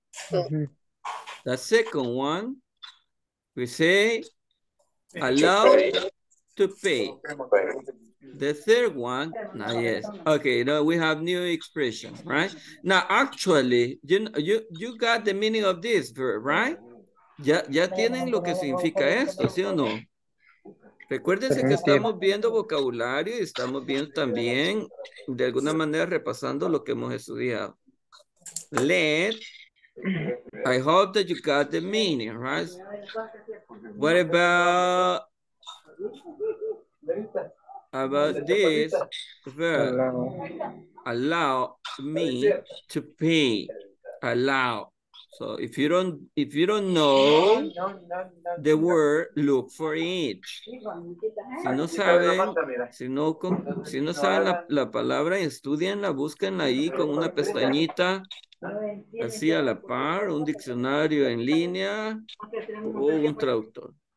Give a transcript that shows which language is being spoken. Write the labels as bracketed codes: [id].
[en] The second one, we say allow to pay. The third one, nah, yes. Okay, now we have new expression, right? Now, actually, you got the meaning of this verb, right? [es] Ya tienen lo que significa esto, ¿sí o no? Recuérdense que estamos viendo vocabulario y estamos viendo también, de alguna manera, repasando lo que hemos estudiado. [en] Let, I hope that you got the meaning, right? What about this verb? Allow me to pay, allow. So if you don't know the word, look for it. [es] Si no saben la palabra, estudienla, búsquenla ahí con una pestañita así a la par, un diccionario en línea o un traductor.